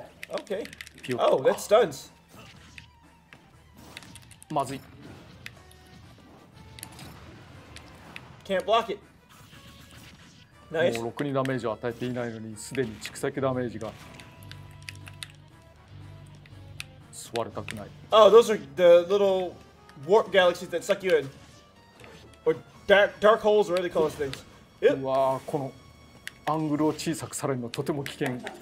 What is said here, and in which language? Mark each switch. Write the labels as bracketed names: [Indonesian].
[English] Okay. Oh, that stuns. [Japanese] まずい。 [English] Can't block it. Nice. [Japanese] もう6にダメージを与えていないのに、すでに蓄積ダメージが。座りたくない。 [English] Oh, those are the little warp galaxies that suck you in. Or dark holes or other colors things. [Japanese] うわぁ、このアングルを小さくされるのとても危険。